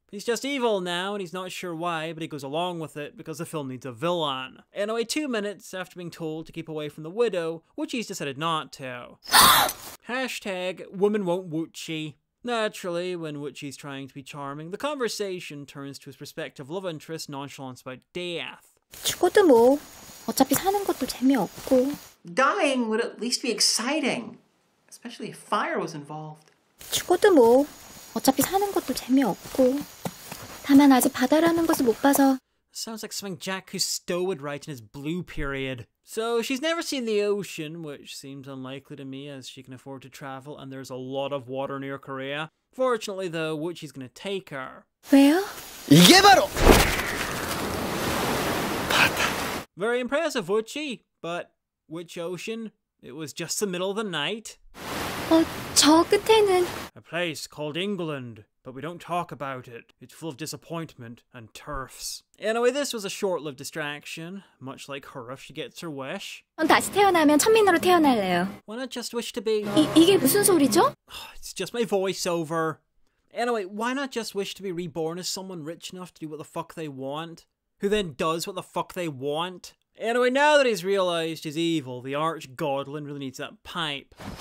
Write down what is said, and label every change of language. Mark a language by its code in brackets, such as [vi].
[en] He's just evil now and he's not sure why, but he goes along with it because the film needs a villain. Anyway, 2 minutes after being told to keep away from the widow, Woochie's decided not to. Hashtag, woman won't Woochie. Naturally, when Woochie's trying to be charming, the conversation turns to his prospective love interest nonchalance about death. [ko] 죽어도 뭐, 어차피 사는 것도 재미없고. [en] Dying would at least be exciting, especially if fire was involved. [ko] 죽어도 뭐, 어차피 사는 것도 재미없고. 다만 아직 바다라는 것을 못 봐서. [en] Sounds like something Jack Cousteau would write in his Blue Period. So she's never seen the ocean, which seems unlikely to me as she can afford to travel and there's a lot of water near Korea. Fortunately though, Woochie's gonna take her. [ko] 왜요? 이게 바로! [en] Very impressive, Woochie, but which ocean? It was just the middle of the night. [ko] 저 끝에는... [en] A place called England, but we don't talk about it. It's full of disappointment and turfs. Anyway, this was a short-lived distraction, much like her if she gets her wish. [ko] 다시 태어나면 천민으로 태어날래요. [en] Why not just wish to be... [ko] 이게 무슨 소리죠? [en] It's just my voiceover. Anyway, why not just wish to be reborn as someone rich enough to do what the fuck they want? Who then does what the fuck they want? Anyway, now that he's realized he's evil, the arch godlin really needs that pipe.